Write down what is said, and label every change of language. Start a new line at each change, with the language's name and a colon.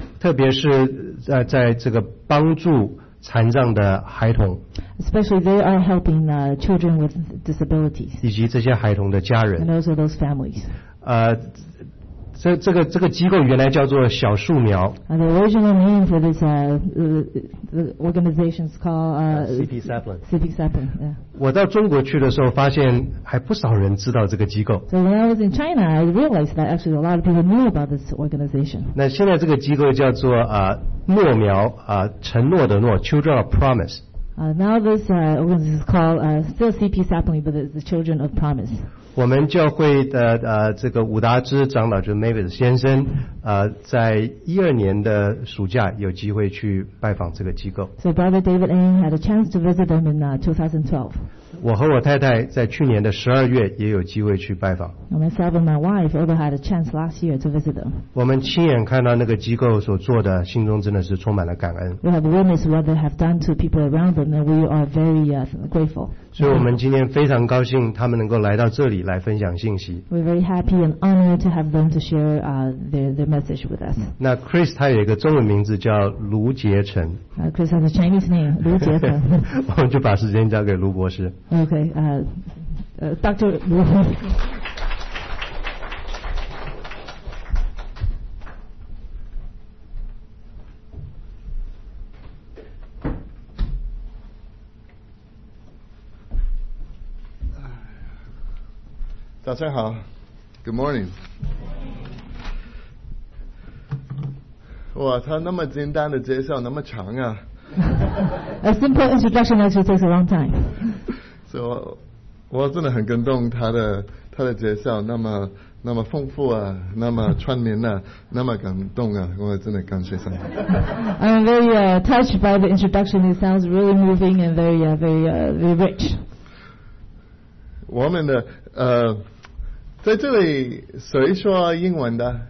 Chinese: 特别是在这个帮助残障的孩童。
English: Especially they are helping children with disabilities.
Chinese: 以及这些孩童的家人。
English: And also those families.
Chinese: 这个机构原来叫做小树苗。
English: The original name for this the organization is called CP Saplin. CP Saplin. Yeah.
Chinese: 我到中国去的时候，发现还不少人知道这个机构。
English: So when I was in China, I realized that actually a lot of people knew about this organization.
Chinese: 那现在这个机构叫做诺苗承诺的诺 Children of Promise.
English: Now this organization is called still CP Saplin, but it's the Children of Promise.
Chinese: 我们教会的这个伍达兹长老就是 Mavis 先生在12年的暑假有机会去拜访这个机构。
English: So Brother David Ng had a chance to visit them in 2012.
Chinese: 我和我太太在去年的12月也有机会去拜访。
English: Myself and my wife also had a chance last year to visit them.
Chinese: 我们亲眼看到那个机构所做的，心中真的是充满了感恩。
English: We have witnessed what they have done to people around them, and we are very grateful.
Chinese: 所以我们今天非常高兴他们能够来到这里来分享信息。
English: We're very happy and honored to have them to share their message with us.
Chinese: 那 Chris 他有一个中文名字叫卢杰成。
English: Chris has a Chinese name, 卢杰成。
Chinese: 我们就把时间交给卢博士。
English: Okay, Dr. Lu. Good morning.
Chinese: 哇，他那么简单的介绍那么长啊。
English: A simple introduction actually takes a long time.
Chinese: So, 我真的很感动他的介绍那么丰富啊，那么串联啊，那么感动啊，我真的感谢上帝。
English: I'm very touched by the introduction. It sounds really moving and very very rich.
Chinese: 我们的在这里谁说英文的